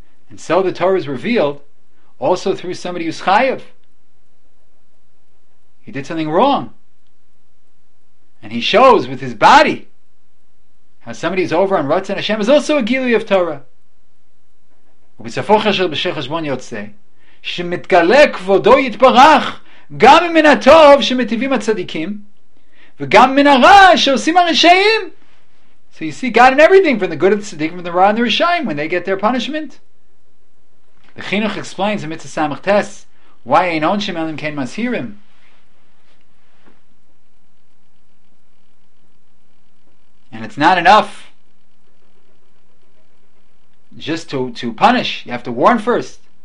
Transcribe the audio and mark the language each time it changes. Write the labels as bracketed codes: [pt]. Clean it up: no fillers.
[en] And so the Torah is revealed also through somebody who's chayev. He did something wrong. And he shows with his body how somebody who's over on Ratzon Hashem is also a gilui of Torah. Ubitzafocha shel b'shech hashbon yotzei. [he] שמתגלה כבודו יתברך גם מן הטוב שמטיבים הצדיקים וגם מן הרע שעושים הרשעים. [en] So you see God in everything, from the good of the tzaddikim, from the ra and the rishayim, when they get their punishment. The Chinuch explains in Mitzvah Samach Tes why ein onshim elam ken mashirim. And it's not enough just to punish, you have to warn first.